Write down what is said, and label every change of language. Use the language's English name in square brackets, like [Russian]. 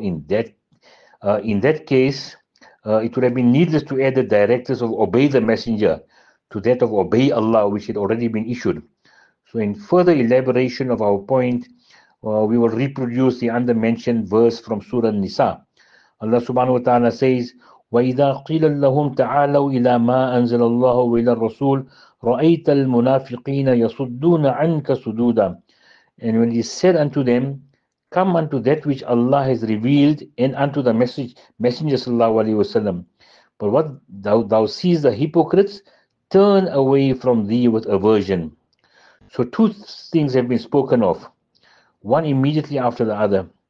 [English] In that case, it would have been needless to add the directives of obey the messenger to that of obey Allah, which had already been issued. So in further elaboration of our point, we will reproduce the undermentioned verse from Surah Nisa. Allah subhanahu wa ta'ala says, [Arabic] وَإِذَا قِيلَ لَهُمْ تَعَالَوْا إِلَى مَا أَنزَلَ اللَّهُ وَإِلَى الرَّسُولِ رَأَيْتَ الْمُنَافِقِينَ يَصُدُّونَ عَنْكَ صُدُودًا. [English] And when he said unto them, come unto that which Allah has revealed, and unto the messenger sallallahu alaihi wasallam. But what thou seest the hypocrites, turn away from thee with aversion. So two things have been spoken of, one immediately after the other.